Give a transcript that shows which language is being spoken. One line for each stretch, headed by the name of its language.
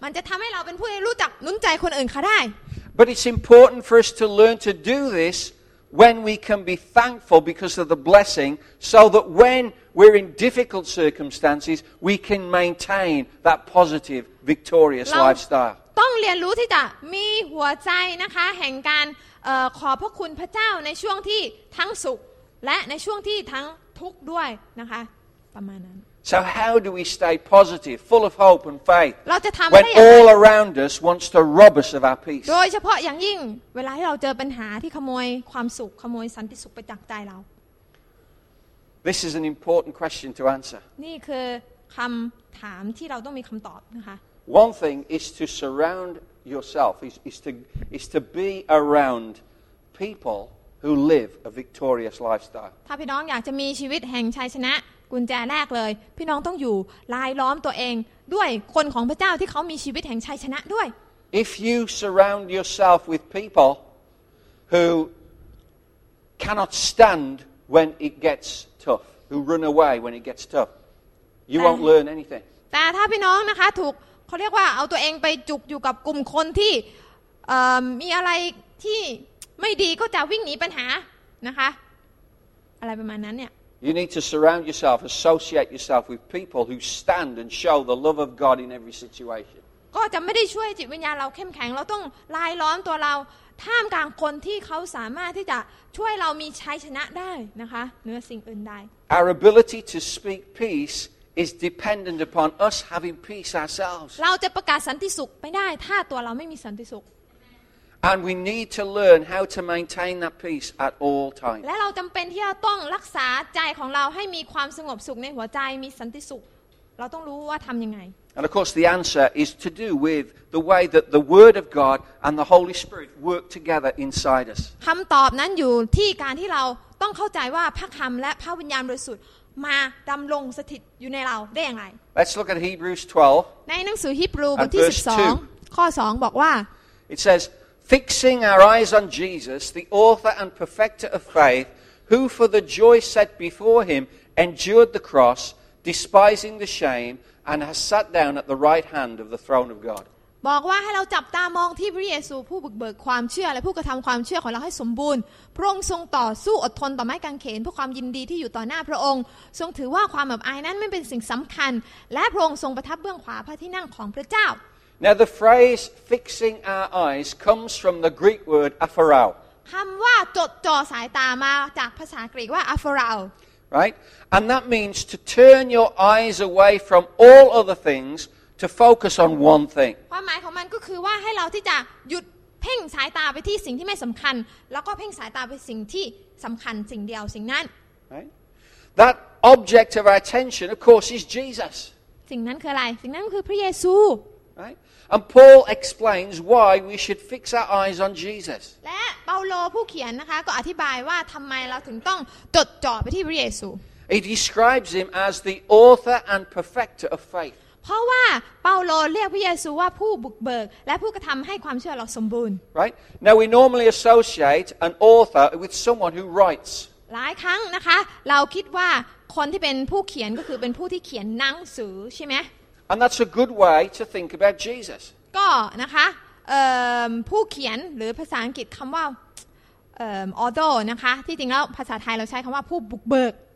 Thai: มันจะทำให้เราเป็นผู้ที่รู้จักหนุนใจคนอื่นเขาได้
English: But it's important for us to learn to do this when we can be thankful because of the blessing, so that when we're in difficult circumstances, we can maintain that positive, victorious lifestyle.
Thai: ต้องเรียนรู้ที่จะมีหัวใจนะคะแห่งการขอบพระคุณพระเจ้าในช่วงที่ทั้งสุขและในช่วงที่ทั้งทุกข์ด้วยนะคะประมาณนั้น
English: So how do we stay positive, full of hope and faith when all around us wants to rob us of our peace?
Thai: โดยเฉพาะอย่างยิ่งเวลาที่เราเจอปัญหาที่ขโมยความสุขขโมยสันติสุขไปจากใจเรา
English: This is an important question to answer.
Thai: นี่คือคำถามที่เราต้องมีคำตอบนะคะ
English: One thing is to surround yourself is to be around people who live a victorious lifestyle.
Thai: ถ้าพี่น้องอยากจะมีชีวิตแห่งชัยชนะกุญแจแรกเลยพี่น้องต้องอยู่รายล้อมตัวเองด้วยคนของพระเจ้าที่เขามีชีวิตแห่งชัยชนะด้วย
English: If you surround yourself with people who cannot stand when it gets tough who run away when it gets tough you won't learn anything
Thai: แต่ถ้าพี่น้องนะคะถูกเขาเรียกว่าเอาตัวเองไปจุกอยู่กับกลุ่มคนที่มีอะไรที่ไม่ดีก็จะวิ่งหนีปัญหานะคะอะไรประมาณนั้นเนี่ย
English: You need to surround yourself, associate yourself with people who stand and show the love of God in every situation.
Thai: ก็จะไม่ได้ช่วยจิตวิญญาณเราเข้มแข็งเราต้องรายล้อมตัวเราท่ามกลางคนที่เขาสามารถที่จะช่วยเรามีชัยชนะได้นะคะเหนือสิ่งอื่นใด
English: Our ability to speak peace is dependent upon us having peace ourselves.
Thai: เราจะประกาศสันติสุขไม่ได้ถ้าตัวเราไม่มีสันติสุข
English: And we need to learn how to maintain that peace at all times.
Thai: และเราจำเป็นที่จะต้องรักษาใจของเราให้มีความสงบสุขในหัวใจมีสันติสุขเราต้องรู้ว่าทำยังไง
English: And of course, the answer is to do with the way that the Word of God and the Holy Spirit work together inside us.
Thai: คำตอบนั้นอยู่ที่การที่เรา ต้องเข้าใจว่าพระคำและพระวิญญาณบริสุทธิ์มาดำรงสถิตอยู่ในเราได้อย่างไร
English: Let's look at Hebrews 12
Thai: ในหนังสือฮีบรูบทที่12ข้อ2บอกว่า
English: It says fixing our eyes on Jesus the author and perfecter of faith who for the joy set before him endured the cross despising the shame and has sat down at the right hand of the throne of God
Thai: บอกว่าให้เราจับตามองที่พระเยซูผู้เบิกเบิกความเชื่อและผู้กระทำความเชื่อของเราให้สมบูรณ์พระองค์ทรงต่อสู้อดทนต่อไม้กางเขนเพื่อความยินดีที่อยู่ต่อหน้าพระองค์ทรงถือว่าความอับอายนั้นไม่เป็นสิ่งสำคัญและพระองค์ทรงประทับเบื้องขวาพระที่นั่งของพระเจ้า
English: Now the phrase fixing our eyes comes from the Greek word aphorao
Thai: คำว่าจดจ่อสายตามาจากภาษากรีกว่า aphorao
English: right and that means to turn your eyes away from all other thingsTo focus on one thing.
Thai: ความหมายของมันก็คือว่าให้เราที่จะหยุดเพ่งสายตาไปที่สิ่งที่ไม่สำคัญแล้วก็เพ่งสายตาไปสิ่งที่สำคัญสิ่งเดียวสิ่งนั้น
English: That object of our attention, of course, is Jesus.
Thai: สิ่งนั้นคืออะไรสิ่งนั้นคือพระเยซู
English: Right? And Paul explains why we should fix our eyes on Jesus.
Thai: และเปาโลผู้เขียนนะคะก็อธิบายว่าทำไมเราถึงต้องจดจ่อไปที่พระเยซู
English: He describes him as the author and perfecter of faith.
Thai: เพราะว่าเปาโลเรียกพระเยซูว่าผู้บุกเบิกและผู้กระทำให้ความเชื่อเราสมบูรณ์
English: Right now we normally associate an author with someone who writes
Thai: หลายครั้งนะคะเราคิดว่าคนที่เป็นผู้เขียนก็คือเป็นผู้ที่เขียนหนังสือใช่ไหม
English: And that's a good way to think about Jesus
Thai: ก็นะคะผู้เขียนหรือภาษาอังกฤษคำว่าauthor นะคะที่จริงแล้วภาษาไทยเราใช้คำว่าผู้บุกเบิก